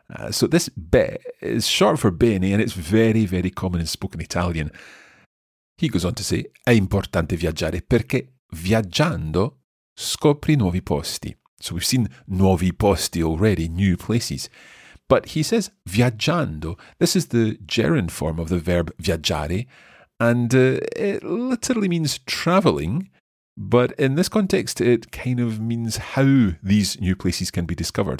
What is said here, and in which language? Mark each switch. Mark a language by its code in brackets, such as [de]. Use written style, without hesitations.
[en] So this beh is short for bene, and it's very, very common in spoken Italian. He goes on to say, [it] è importante viaggiare perché viaggiando scopri nuovi posti. [en] So we've seen [it] nuovi posti [en] already, new places. But he says viaggiando, this is the gerund form of the verb viaggiare, and it literally means travelling, but in this context it kind of means how these new places can be discovered.